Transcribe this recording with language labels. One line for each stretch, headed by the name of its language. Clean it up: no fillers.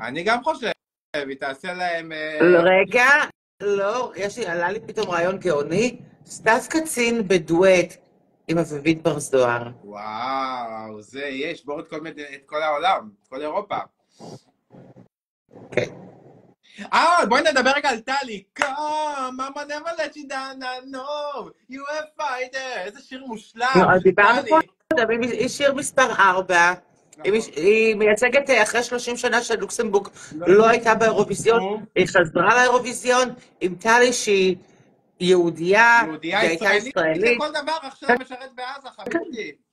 Hebrew: אני גם חושב, היא תעשה להם... רגע. לא, יש לי, עלה לי פתאום רעיון גאוני, סתיו קצין בדואט עם אביבית בר זוהר. וואו, זה יש, בואו את כל, את כל העולם, את כל אירופה. כן. אה, בואי נדבר רגע על טלי.
English: Come, I'm never let you down, I know, you are a fighter.
Hebrew: איזה שיר מושלם. לא, דיברנו פה, היא שיר מספר 4. היא מייצגת אחרי 30 שנה של לוקסמבורג, לא הייתה באירוויזיון, היא חזרה לאירוויזיון עם טלי שהיא יהודיה, יהודיה ישראלית, לכל דבר עכשיו משרת בעזה, חביבי.